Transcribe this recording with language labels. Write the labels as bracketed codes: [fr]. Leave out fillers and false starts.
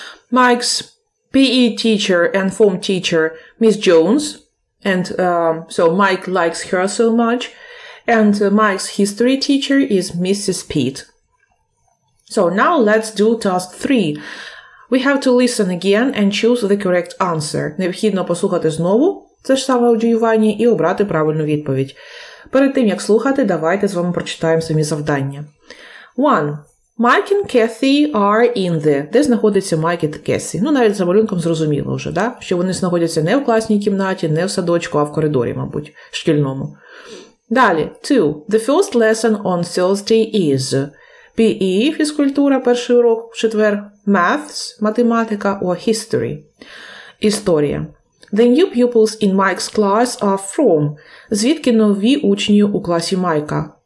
[en] Mike's PE teacher and form teacher, Miss Jones. And so Mike likes her so much. And Mike's history teacher is Mrs. Pitt. So now let's do task 3. We have to listen again and choose the correct answer. [uk] Необхідно послухати знову це ж саме аудіювання і обрати правильну відповідь. Перед тим, як слухати, давайте з вами прочитаємо самі завдання. [en] 1. Mike and Kathy are in the... [uk] Де знаходяться Mike і Кесі? Ну, навіть за малюнком зрозуміло вже, да? Що вони знаходяться не в класній кімнаті, не в садочку, а в коридорі, мабуть, шкільному. Далі. [en] 2. The first lesson on Thursday is... [uk] PE – фізкультура, перший урок, в четвер. [en] Maths – математика, or history – історія. The new pupils in Mike's class are from... [uk] Звідки нові учні у класі Майка?